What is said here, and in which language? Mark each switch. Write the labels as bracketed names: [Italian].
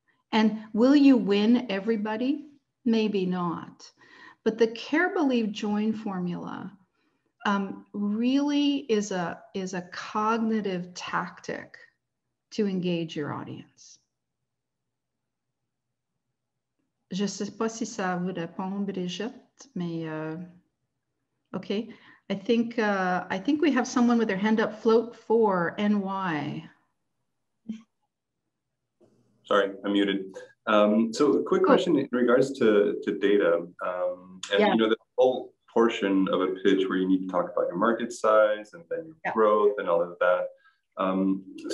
[English] And will you win everybody? Maybe not. But the Care, Believe, Join formula really is a cognitive tactic to engage your audience. [French] Je ne sais pas si ça vous répond, Brigitte, mais okay. [English] I think we have someone with their hand up. Float four, NY. Sorry, I'm muted. So a quick question in regards to data. You know, the whole portion of a pitch where you need to talk about your market size and then your growth and all of that.